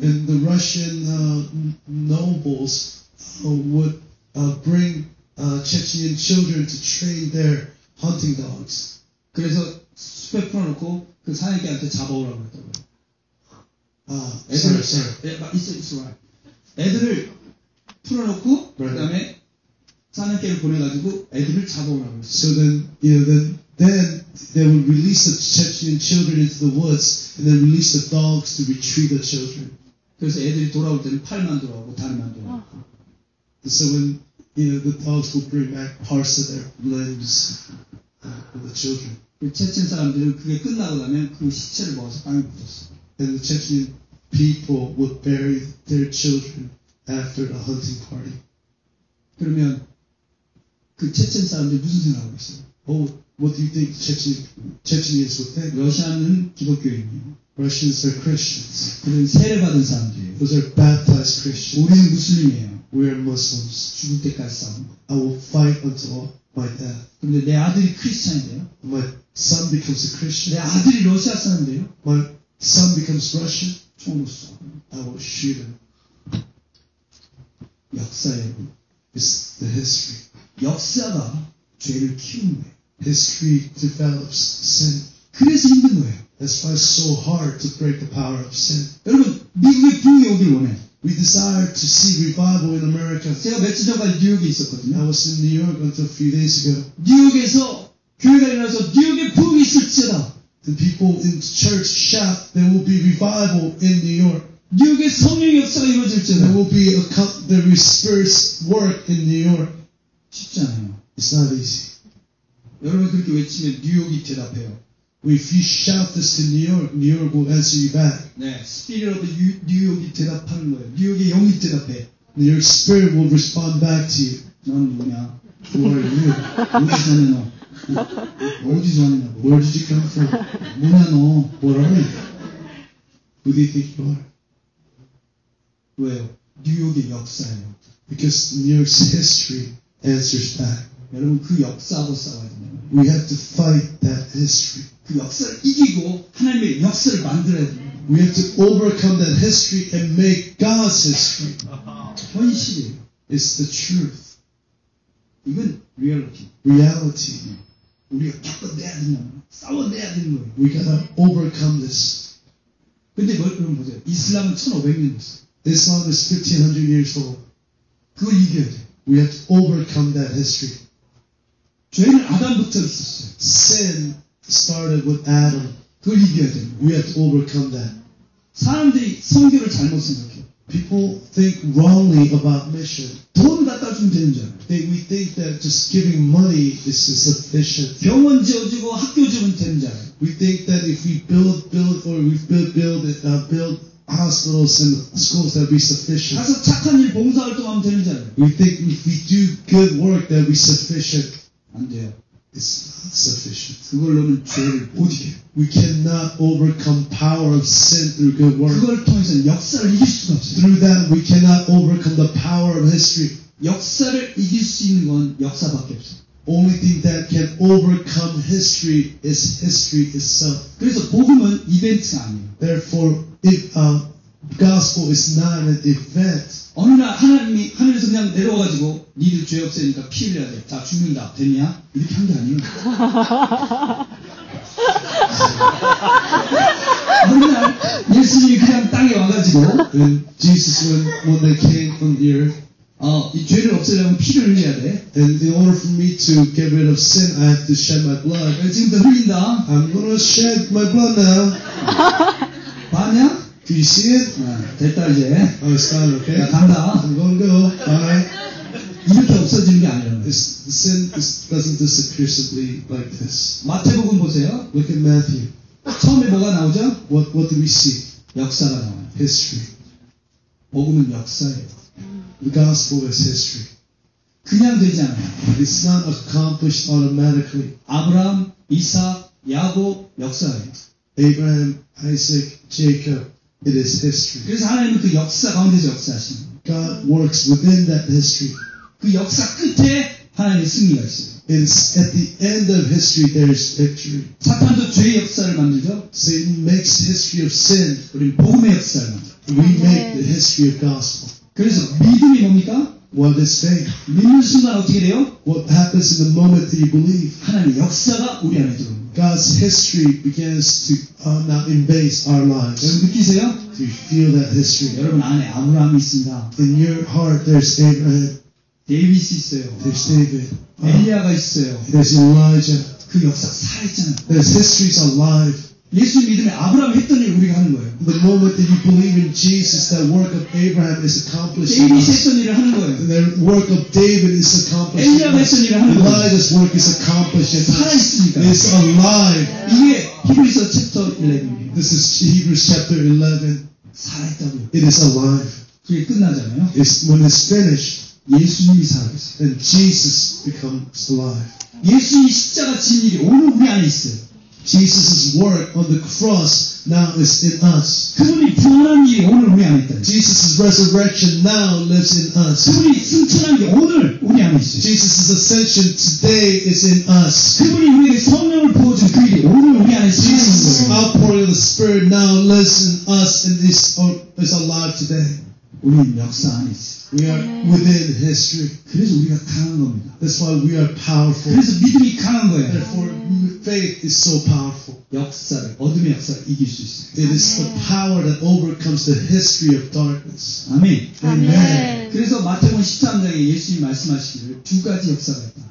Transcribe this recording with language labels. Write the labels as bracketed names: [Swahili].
[English] And the Russian nobles would bring Chechen children to train their hunting dogs. [Korean] 그래서 숯배 풀어놓고 그 사내기한테 잡아오라고 했다고요. 아, 애들을, [English] sorry. [Korean] 예, 애들을 풀어놓고 [English] right. [Korean] 그 다음에 사내기를 보내가지고 애들을 잡아오라고 했어요. [English] So then, you know, then they would release the Chechen children into the woods and then release the dogs to retrieve the children. [Korean] 그래서 애들이 돌아올 때는 팔만 돌아오고 다리만 돌아오고. [English] So when you know the dogs would bring back parts of their limbs of the children. [Korean] 그 체친 사람들은 그게 끝나고 나면 그 시체를 먹어서 빵이 붙었어. [English] And the Chechen people would bury their children after the hunting party. [Korean] 그러면 그 체친 사람들이 무슨 생각을 했어요? [English] Oh, what do you think Chechens would think? [Korean] 러시아는 기독교인이에요. [English] Russians are Christians. [Korean] 우리는 세례받은 사람들이에요. [English] Those are baptized Christians. [Korean] 우리는 무슬림이에요. [English] We are Muslims. [Korean] 죽을 때까지 싸우는 거. [English] I will fight until my death. [Korean] 근데 내 아들이 크리스찬이에요. [English] My son becomes a Christian. [Korean] 내 아들이 러시아 사람이에요. [English] My son becomes Russian. [Korean] 총을 쏴. [English] I will shoot him. [Korean] 역사예요. [English] It's the history. [Korean] 역사가 죄를 키우는 거예요. [English] History develops sin. [Korean] 그래서 힘든 거예요. [English] That's why it's so hard to break the power of sin. [Korean] 여러분, 미국에 부흥이 오길 원해. [English] We desire to see revival in America. [Korean] 제가 며칠 전까지 뉴욕에 있었거든요. [English] I was in New York until a few days ago. [Korean] 뉴욕에서 교회가 일어나서 뉴욕에 부흥이 있을지라. [English] The people in church shout, there will be revival in New York. [Korean] 뉴욕에 성령 역사가 이루어질지라. [English] There will be a cup, there will be spirits work in New York. [Korean] 쉽지 않아요. [English] It's not easy. [Korean] 여러분 그렇게 외치면 뉴욕이 대답해요. [English] If you shout this to New York, New York will answer you back. [Korean] 네, [English] Spirit of New York [Korean] 이 대답하는 거예요. 뉴욕의 영이 대답해. [English] New York Spirit will respond back to you. [Korean] 넌 누구냐? [English] Who are you? [Korean] 어디서 왔냐? 어디서 왔냐? [English] Where did you come from? [Korean] 누구냐 너? [English] What are you? Who do you think you are? [Korean] 왜요? 뉴욕의 역사예요. [English] Because New York's history answers back. [Korean] 여러분 그 역사하고 싸워야 되나요? [English] We have to fight that history. [Korean] 그 역사를 이기고 하나님의 역사를 만들어야 돼요. [English] We have to overcome that history and make God's history. [Korean] 현실이에요. [English] It's the truth. [Korean] 이건 [English] reality. Reality. [Korean] 우리가 겪어내야 되는 거예요. 싸워내야 되는 거예요. [English] We gotta overcome this. [Korean] 근데 뭐, 여러분 보세요. 이슬람은 1500년 됐어요. [English] Islam is 1500 years old. [Korean] 그걸 이겨야 돼. [English] We have to overcome that history. [Korean] 죄는 아담부터 있었어요. [English] Sin started with Adam. [Korean] 그걸 이겨야 돼. [English] We have to overcome that. [Korean] 사람들이 성경을 잘못 생각해. [English] People think wrongly about mission. [Korean] 돈 갖다 주면 되는 줄 알아. [English] We think that just giving money is sufficient. [Korean] 병원 지어주고 학교 지으면 되는 줄 알아. [English] We think that if we build hospitals and schools that will be sufficient. [Korean] 가서 착한 일 봉사활동하면 되는 줄 알아. [English] We think if we do good work that will be sufficient. [Korean] 안 돼요. [English] It's not sufficient. [Korean] 그걸로는 죄를 못 이겨. [English] We cannot overcome power of sin through good work. [Korean] 그걸 통해서 역사를 이길 수가 없어요. [English] Through that we cannot overcome the power of history. [Korean] 역사를 이길 수 있는 건 역사밖에 없어요. [English] Only thing that can overcome history is history itself. [Korean] 그래서 복음은 이벤트가 아니에요. [English] Therefore, gospel is not an event. [Korean] 어느 날 하나님이 하늘에서 그냥 내려와가지고 니들 죄 없애니까 피 흘려야 돼. 다 죽는다. 됐냐? 이렇게 한 게 아니에요. 어느 날 예수님이 그냥 땅에 와가지고 [English] when Jesus went, when they came on the earth, [Korean] 이 죄를 없애려면 피를 흘려야 돼. [English] And in order for me to get rid of sin, I have to shed my blood. [Korean] 지금 다 흘린다. [English] I'm gonna shed my blood now. [Korean] 봤냐? [English] Do you see it? [Korean] 아, 됐다 이제. [English] Oh, it's done, okay. [Korean] 야, 간다. [English] I'm going to go. Bye. [Korean] 이렇게 없어지는 게 아니라고. [English] The sin doesn't disappear simply like this. [Korean] 마태복음 보세요. [English] Look at Matthew. [Korean] 처음에 뭐가 나오죠? [English] What do we see? [Korean] 역사가 나와요. [English] History. [Korean] 복음은 역사예요. [English] The gospel is history. [Korean] 그냥 되지 않아요. [English] It's not accomplished automatically. [Korean] 아브라함, 이사, 야고, 역사예요. [English] Abraham, Isaac, Jacob. It is history. [Korean] 그래서 하나님은 그 역사 가운데서 역사하시는 거예요. [English] God works within that history. [Korean] 그 역사 끝에 하나님의 승리가 있어요. [English] It's at the end of history there is victory. [Korean] 사탄도 죄의 역사를 만들죠. [English] Satan makes history of sin. [Korean] 우리는 복음의 역사를 만들죠. [English] We make the history of gospel. [Korean] 그래서 믿음이 뭡니까? [English] What is faith? [Korean] 믿는 순간 어떻게 돼요? [English] What happens in the moment that you believe? [Korean] 하나님의 역사가 우리 안에 들어옵니다. [English] God's history begins to now invade our lives. [Korean] 여러분 느끼세요? [English] Do you feel that history? [Korean] 여러분 안에 아브라함이 있습니다. [English] In your heart, there's Abraham. [Korean] 데이빗이 있어요. [English] There's David. [Korean] 엘리야가 있어요. [English] There's Elijah. [Korean] 그 역사 살아있잖아요. [English] There's history's alive. [Korean] 예수 믿으면 아브라함 했던 일 우리가 하는 거예요. [English] The moment that you believe in Jesus, that work of Abraham is accomplished. [Korean] 데이빗이 했던 일을 하는 거예요. [English] The work of David is accomplished. [Korean] 엘리야가 했던 일을 하는 거예요. [English] Elijah's work is accomplished. [Korean] 살아있으니까. [English] It's alive. [Korean] 이게 히브리서 챕터 11입니다. [English] This is Hebrews chapter 11. [Korean] 살아있다고. [English] It is alive. [Korean] 그게 끝나잖아요. [English] It's when it's finished. [Korean] 예수님이 살아있어요. [English] And Jesus becomes alive. [Korean] 예수님이 십자가 진 일이 오늘 우리 안에 있어요. [English] Jesus' work on the cross now is in us. [Korean] 그분이 부활한 일이 오늘 우리 안에 있다. [English] Jesus' resurrection now lives in us. [Korean] 그분이 승천한 게 오늘 우리 안에 있어요. [English] Jesus' ascension today is in us. [Korean] 그분이 우리에게 성령을 부어준 그 일이 오늘 우리 안에 있어요. [English] Jesus' outpouring of the Spirit now lives in us and is alive today. [Korean] 우리는 역사 안에 있어. [English] We are within history. [Korean] 그래서 우리가 강한 겁니다. [English] That's why we are powerful. [Korean] 그래서 믿음이 강한 거예요. [English] Therefore, faith is so powerful. [Korean] 역사를, 어둠의 역사를 이길 수 있어. [English] It is the power that overcomes the history of darkness. [Korean] 아멘. 아멘. 그래서 마태복음 13장에 예수님 말씀하시기를 두 가지 역사가 있다.